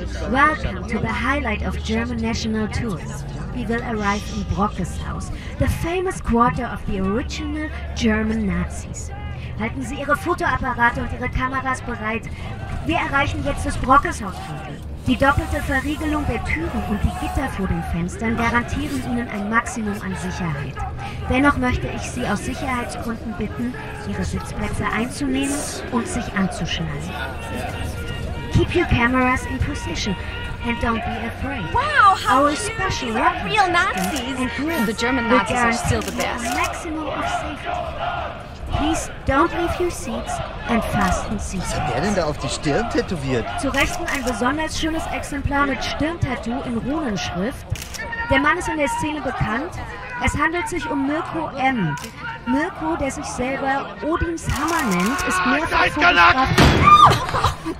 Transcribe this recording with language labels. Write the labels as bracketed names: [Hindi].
[English] Welcome to the highlight of German national tours. We will arrive in Brockeshaus, the famous quarter of the original German Nazis. [German] Halten Sie Ihre Fotoapparate und Ihre Kameras bereit. Wir erreichen jetzt das Brockeshausviertel. Die doppelte Verriegelung der Türen und die Gitter vor den Fenstern garantieren Ihnen ein Maximum an Sicherheit. Dennoch möchte ich Sie aus Sicherheitsgründen bitten, Ihre Sitzplätze einzunehmen und sich anzuschnallen. [English] Keep your cameras in position and don't be afraid. Wow, how our special are real Nazis! And the German Nazis are still the best. Maximum of safety. Please don't leave your seats and fasten seatbelts. [German] Was hat der denn da auf die Stirn tätowiert? Zu Rechten ein besonders schönes Exemplar mit Stirntattoo in Runenschrift. Der Mann ist in der Szene bekannt. Es handelt sich um Mirko M. Mirko, der sich selber Odins Hammer nennt, ist mehrfach fotografiert.